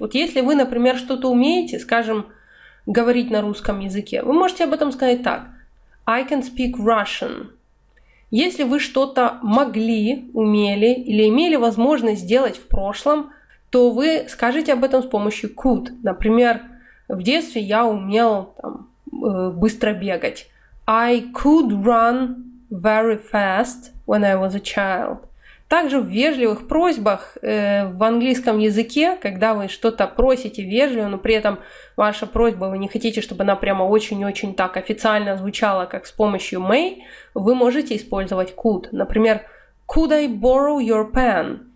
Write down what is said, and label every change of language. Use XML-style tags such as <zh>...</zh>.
<ru>Вот если вы, например, что-то умеете, скажем, говорить на русском языке, вы можете об этом сказать так.</ru> <en>I can speak Russian.</en> <ru>Если вы что-то могли, умели или имели возможность сделать в прошлом, то вы скажете об этом с помощью could. Например, в детстве я умел там, быстро бегать.</ru> <en>I could run very fast when I was a child.</en> <ru>Также в вежливых просьбах в английском языке, когда вы что-то просите вежливо, но при этом ваша просьба, вы не хотите, чтобы она прямо очень-очень так официально звучала, как с помощью may, вы можете использовать could. Например,</ru> <en>could I borrow your pen?</en>